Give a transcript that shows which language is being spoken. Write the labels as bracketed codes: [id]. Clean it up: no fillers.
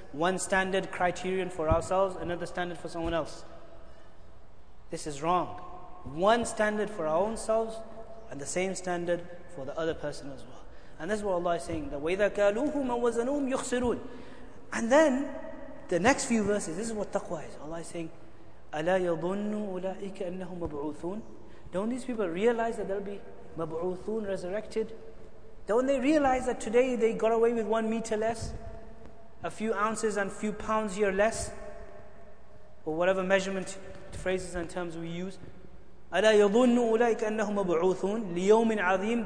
[en] One standard criterion for ourselves, another standard for someone else. This is wrong. One standard for our own selves, and the same standard for the other person as well. And this is what Allah is saying, [ar] وَإِذَا كَالُوهُمَ وَزَنُوهُمْ يُخْسِرُونَ. [en] And then, the next few verses, this is what taqwa is. Allah is saying, [ar] أَلَا يَظُنُّ أُولَٰئِكَ أَنَّهُمْ مَبْعُوثُونَ. [en] Don't these people realize that they'll be مَبْعُوثُونَ, resurrected? Don't they realize that today they got away with 1 meter less? A few ounces and few pounds here less? Or whatever measurement phrases and terms we use. [ar] أَلَا يَظُنُّ أُولَٰئِكَ أَنَّهُمْ مَبْعُوثُونَ لِيَوْمٍ عَظِيمٍ.